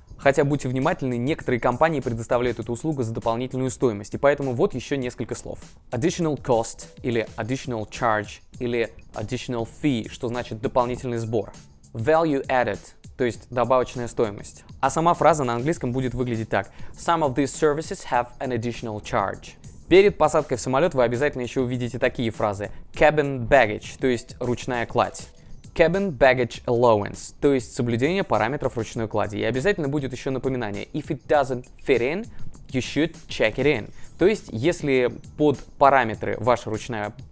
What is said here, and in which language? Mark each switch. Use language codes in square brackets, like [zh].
[ru] Хотя будьте внимательны, некоторые компании предоставляют эту услугу за дополнительную стоимость, и поэтому вот еще несколько слов. [en] Additional cost или additional charge или additional fee, [ru] что значит дополнительный сбор. Value added, то есть добавочная стоимость. А сама фраза на английском будет выглядеть так. [en] Some of these services have an additional charge. [ru] Перед посадкой в самолет вы обязательно еще увидите такие фразы. Cabin baggage, то есть ручная кладь. Cabin baggage allowance, то есть соблюдение параметров ручной клади. И обязательно будет еще напоминание. [en] If it doesn't fit in, you should check it in. [ru] То есть если под параметры ваша ручная